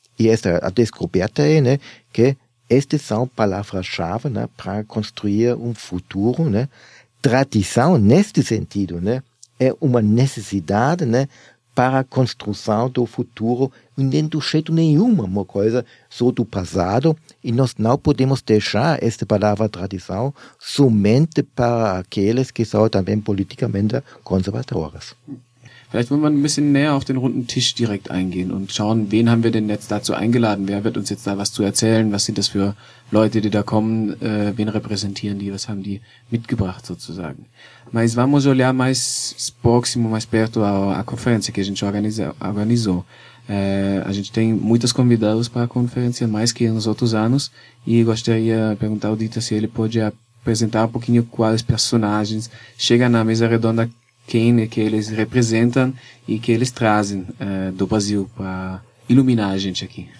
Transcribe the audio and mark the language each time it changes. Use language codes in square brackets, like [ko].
[pt] E esta a descoberta é, né, que estas são palavras-chave, né, para construir futuro, né? Tradição, neste sentido, né, é uma necessidade, né, para a construção do futuro, nem do jeito nenhum, uma coisa só do passado, e nós não podemos deixar esta palavra tradição somente para aqueles que são também politicamente conservadores. [de] Vielleicht wollen wir ein bisschen näher auf den runden Tisch direkt eingehen und schauen, wen haben wir denn jetzt dazu eingeladen? Wer wird uns jetzt da was zu erzählen? Was sind das für Leute, die da kommen? Wen repräsentieren die? Was haben die mitgebracht sozusagen? [pt] Mas vamos olhar mais próximo, mais perto à conferência que a gente organizou. A gente tem muitos convidados para a conferência, mais que nos outros anos, e gostaria de perguntar ao Dita se ele pode apresentar um pouquinho quais personagens chegam na mesa redonda, quem é que eles representam e que eles trazem do Brasil para iluminar a gente aqui.